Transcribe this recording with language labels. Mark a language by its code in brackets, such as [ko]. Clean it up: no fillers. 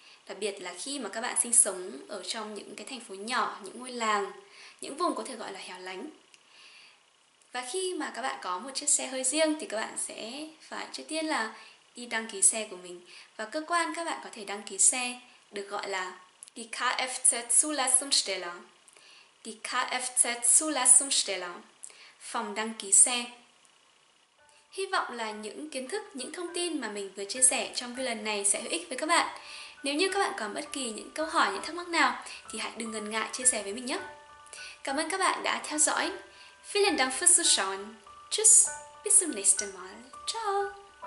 [vi] Đặc biệt là khi mà các bạn sinh sống ở trong những cái thành phố nhỏ, những ngôi làng, những vùng có thể gọi là hẻo lánh. Và khi mà các bạn có một chiếc xe hơi riêng thì các bạn sẽ phải trước tiên là đi đăng ký xe của mình. Và cơ quan các bạn có thể đăng ký xe được gọi là Die Kfz-Zulassungsstelle. [de] Die Kfz-Zulassungsstelle. [vi] Phòng đăng ký xe. Hy vọng là những kiến thức, những thông tin mà mình vừa chia sẻ trong video lần này sẽ hữu ích với các bạn. Nếu như các bạn còn bất kỳ những câu hỏi, những thắc mắc nào thì hãy đừng ngần ngại chia sẻ với mình nhé. Cảm ơn các bạn đã theo dõi. [de] Vielen Dank fürs Zuschauen. Tschüss, bis zum nächsten Mal. Ciao.